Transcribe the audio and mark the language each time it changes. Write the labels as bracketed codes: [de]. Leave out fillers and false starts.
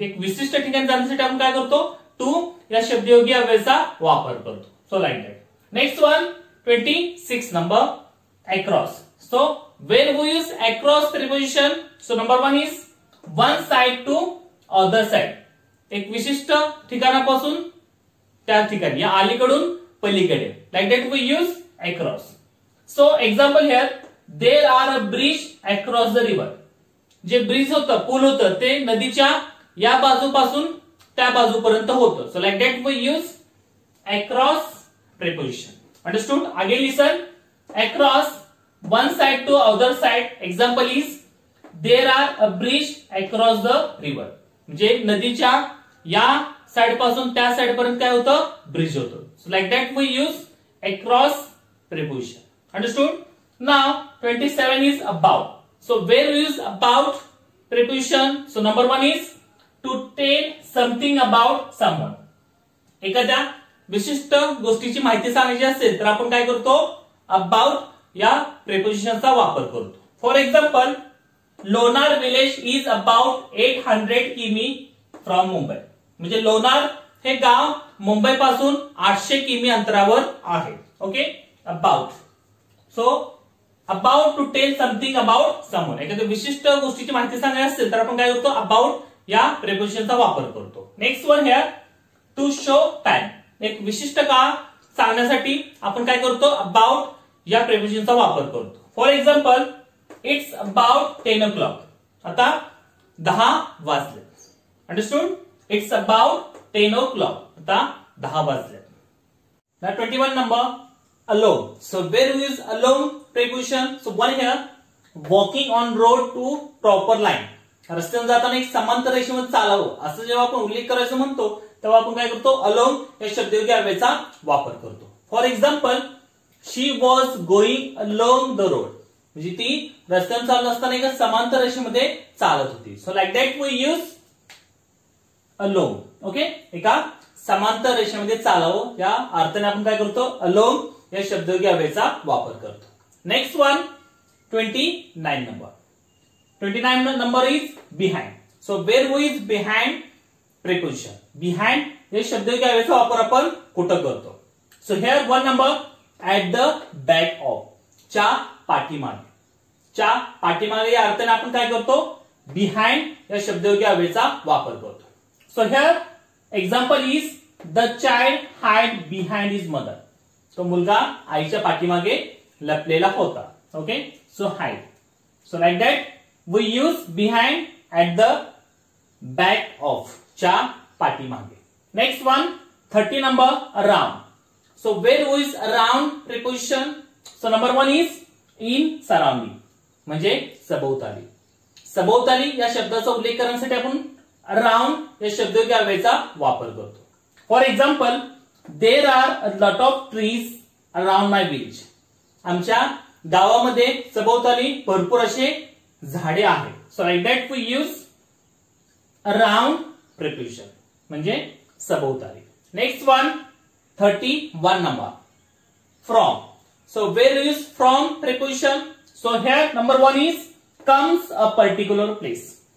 [mr] एक विशिष्ट ठिकाणी जाण्यासाठी आपण काय करतो टू या शब्दयोगी अव्ययाचा वापर करतो. [en] So like that. Next one 26 number across. So where we use across preposition, so number one is one side to other side. [mr] एक विशिष्ट ठिकाणा पासून त्या ठिकाणी या अलीकडून पलीकडे. [en] Like that we use across. So example here, there are a bridge across the river. [mr] जे bridge होत पूल होत ते नदीच्या या बाजूपासून त्या बाजूपर्यंत होतं. [en] So like that we use across preposition. Understood? Again listen, across one side to other side. Example is there are a bridge across the river. [mr] म्हणजे नदीच्या या साइड पासून त्या साइड पर्यंत काय होतं ब्रिज होतो. [en] So like that we use across preposition. Understood. Now 27 is about. So where we use about preposition. So number one is to tell something about someone. [mr] एखाद्या विशिष्ट गोष्टीची माहिती सांगायची असेल तर आपण काय करतो अबाउट या प्रेपोजिशनचा वापर करतो. [en] For example Lonar village is about 800 किमी from Mumbai. [mr] म्हणजे लोणार हे गाव मुंबई पासून 800 किमी अंतरावर आहे. [en] Okay about. So about to tell something about someone. [mr] एखाद्या विशिष्ट गोष्टीची माहिती सांगायची असेल तर आपण काय करतो अबाउट या प्रेपोजिशनचा वापर करतो. [en] Next one here to show time. [mr] एक विशिष्ट काळ सांगण्यासाठी आपण काय करतो अबाउट या प्रेपोजिशनचा वापर करतो. [en] For example it's about 10 o'clock. [mr] आता 10 वाजले. [en] Understood. It's about 10 o'clock. [mr] आता 10 वाजले. [en] 21 number along. So where is along preposition. So one here walking on road to proper line. [mr] रस्त्याने जाताना एक समांतर रेषेवर चालावं असं जेव्हा आपण उल्लेख करायचं म्हणतो तेव्हा आपण काय करतो अलोंग या शब्दयोगी अव्ययाचा वापर करतो. [en] For example She was going along the road. [mr] म्हणजे ती रस्त्याने चालत असताना एका समांतर रेषेमध्ये चालत होती. [en] So like that we use along. [mr] Okay एका समांतर रेषेमध्ये चालावं या अर्थाने आपण काय करतो अलोंग या शब्दयोगी अव्ययाचा वापर करतो. [en] Next one 29 number. 29 number is behind. So where who is behind preposition. [mr] Behind या शब्दयोगी अव्ययाचा वापर आपण कुठं करतो. [en] So here one number At the back of. [mr] च्या पाठीमागे. च्या पाठीमागे या अर्थाने आपण काय करतो बिहाइंड या शब्दयोगी अव्ययाचा वापर करतो. [en] So here example is the child hide behind his mother. [mr] तो मुलगा आईच्या पाठीमागे लपलेला होता. [en] Okay so hide. So like that we use behind at the back of [mr] च्या पाठीमागे. [en] Next one 30 number around. So where who is around preposition? So number one is in surrounding. [mr] म्हणजे सभोवताली. सभोवताली या शब्दाचा उल्लेख करण्यासाठी आपण around या शब्दयोगी अव्ययाचा वापर करतो. [en] For example there are a lot of trees around my village. [mr] आमच्या गावामध्ये सभोवताली भरपूर असे झाडे आहेत. [en] so like that we use around preposition [mr] म्हणजे सभोवताली. [en] Next one 31 number from. So where is from preposition. So here number one is comes a particular place.